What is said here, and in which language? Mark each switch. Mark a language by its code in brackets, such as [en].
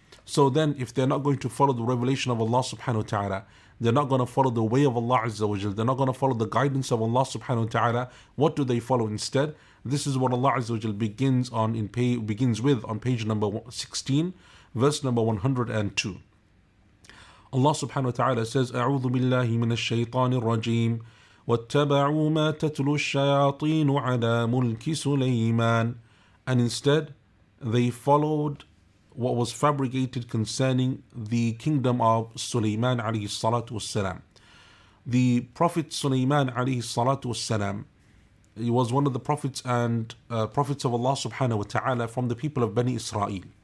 [en] So then, if they're not going to follow the revelation of Allah subhanahu wa ta'ala, they're not going to follow the way of Allah Azza wa Jalla, they're not going to follow the guidance of Allah subhanahu wa ta'ala, what do they follow instead? This is what Allah Azza wa Jalla begins with on page number 16, verse number 102. Allah subhanahu wa ta'ala says, [ar] أَعُوذُ بِاللَّهِ مِنَ الشَّيْطَانِ الرَّجِيمِ وَاتَّبَعُوا مَا تَتْلُو الشَّيَاطِينُ عَلَى مُلْكِ سُلَيْمَانَ. [en] And instead, they followed what was fabricated concerning the kingdom of Sulaiman alayhi salatu wasalam. The Prophet Sulaiman alayhi salatu wasalam, he was one of the prophets and prophets of Allah subhanahu wa ta'ala from the people of Bani Israel.